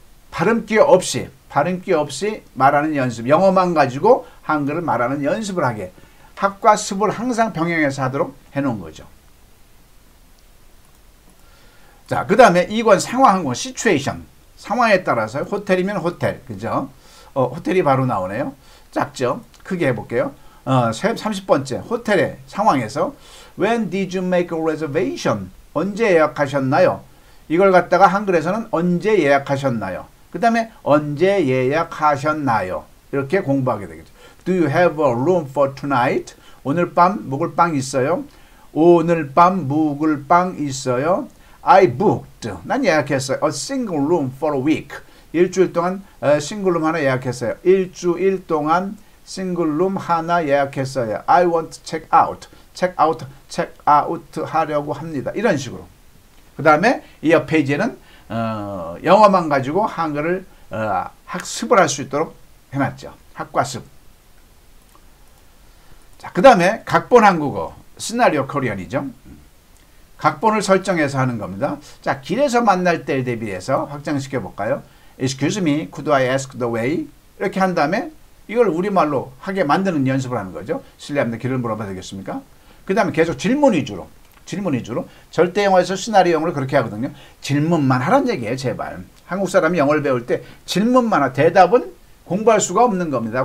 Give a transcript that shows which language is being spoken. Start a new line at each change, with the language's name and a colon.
Korean: 발음기 없이 말하는 연습. 영어만 가지고 한글을 말하는 연습을 하게. 학과 습을 항상 병행해서 하도록 해놓은 거죠. 자, 그 다음에 이건 상황항공, 시츄에이션. 상황에 따라서 호텔이면 호텔, 그죠? 호텔이 바로 나오네요. 작죠? 크게 해볼게요. 30번째, 호텔의 상황에서
English: When did you make a reservation?
Korean: 언제 예약하셨나요? 이걸 갖다가 한글에서는 언제 예약하셨나요? 그 다음에 언제 예약하셨나요? 이렇게 공부하게 되겠죠.
English: Do you have a room for tonight?
Korean: 오늘 밤 묵을 방 있어요? 오늘 밤 묵을 방 있어요?
English: I booked.
Korean: 난 예약했어요.
English: A single room for a week.
Korean: 일주일 동안 싱글 룸 하나 예약했어요. 일주일 동안 싱글 룸 하나 예약했어요.
English: I want to check out. Check out. Check out
Korean: 하려고 합니다. 이런 식으로. 그 다음에 이 옆 페이지에는 영어만 가지고 한글을 학습을 할 수 있도록 해놨죠. 학과습. 자, 그 다음에 각본 한국어. 시나리오 코리안이죠. 각본을 설정해서 하는 겁니다. 자, 길에서 만날 때 대비해서 확장시켜 볼까요?
English: Excuse me, could I ask the way?
Korean: 이렇게 한 다음에 이걸 우리말로 하게 만드는 연습을 하는 거죠. 실례합니다. 길을 물어봐도 되겠습니까? 그 다음에 계속 질문 위주로. 질문 위주로. 절대 영어에서 시나리오 영어를 그렇게 하거든요. 질문만 하란 얘기예요, 제발. 한국 사람이 영어를 배울 때 질문만 하, 대답은 공부할 수가 없는 겁니다.